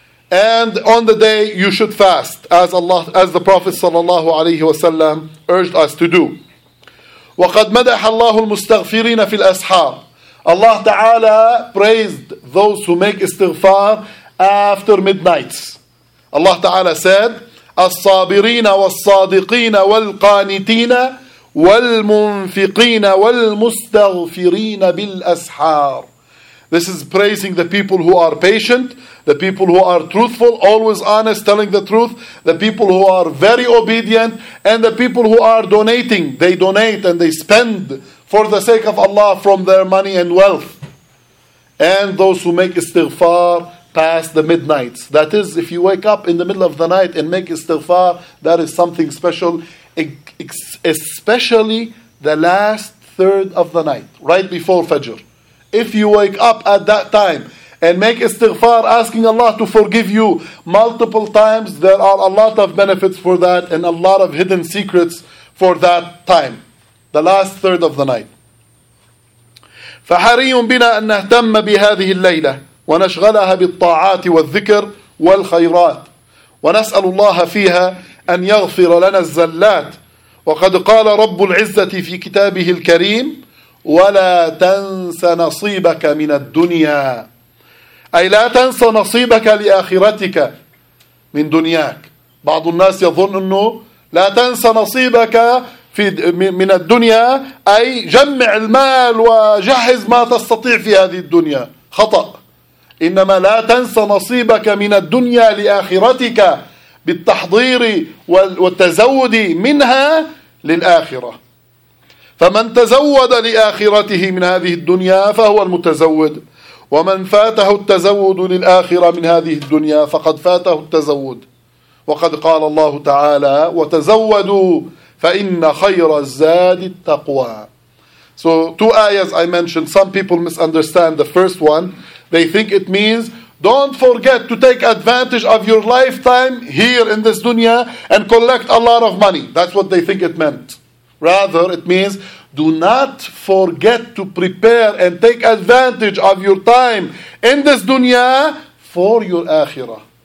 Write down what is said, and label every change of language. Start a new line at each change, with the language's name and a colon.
English: And on the day you should fast, as the Prophet sallallahu alayhi wa sallam urged us to do.
Arabic: وَقَدْ مَدَحَ اللَّهُ الْمُسْتَغْفِرِينَ فِي الْأَسْحَارِ.
English: Allah Ta'ala praised those who make istighfar after midnight. Allah Ta'ala said,
Arabic: الصَّابِرِينَ وَالصَّادِقِينَ وَالْقَانِتِينَ وَالْمُنْفِقِينَ وَالْمُسْتَغْفِرِينَ بِالْأَسْحَارِ.
English: This is praising the people who are patient, the people who are truthful, always honest, telling the truth, the people who are very obedient, and the people who are donating. They donate and they spend for the sake of Allah from their money and wealth. And those who make istighfar past the midnight. That is, if you wake up in the middle of the night and make istighfar, that is something special. Especially the last third of the night, right before Fajr. If you wake up at that time and make istighfar asking Allah to forgive you multiple times, there are a lot of benefits for that and a lot of hidden secrets for that time, the last third of the night.
Arabic: فَحَرِيٌّ بِنَا أَن نَهْتَمَّ بِهَذِهِ اللَّيْلَةِ وَنَشْغَلَهَا بِالطَّاعَاتِ وَالذِّكْرِ وَالْخَيْرَاتِ وَنَسْأَلُ اللَّهَ فِيهَا أن يغفر لنا الزلات وقد قال رب العزة في كتابه الكريم ولا تنس نصيبك من الدنيا أي لا تنس نصيبك لآخرتك من دنياك. بعض الناس يظن أنه لا تنس نصيبك في من الدنيا أي جمع المال وجهز ما تستطيع في هذه الدنيا. خطأ. إنما لا تنس نصيبك من الدنيا لآخرتك بالتحضير والتزود منها للآخرة. فمن تزود لآخرته من هذه الدنيا فهو المتزود، ومن فاته التزود للآخرة من هذه الدنيا فقد فاته التزود. وقد قال الله تعالى وتزودوا فإن خير الزاد التقوى.
English: So two ayahs I mentioned, some people misunderstand the first one. They think it means don't forget to take advantage of your lifetime here in this dunya and collect a lot of money. That's what they think it meant. Rather, it means do not forget to prepare and take advantage of your time in this dunya for your akhirah.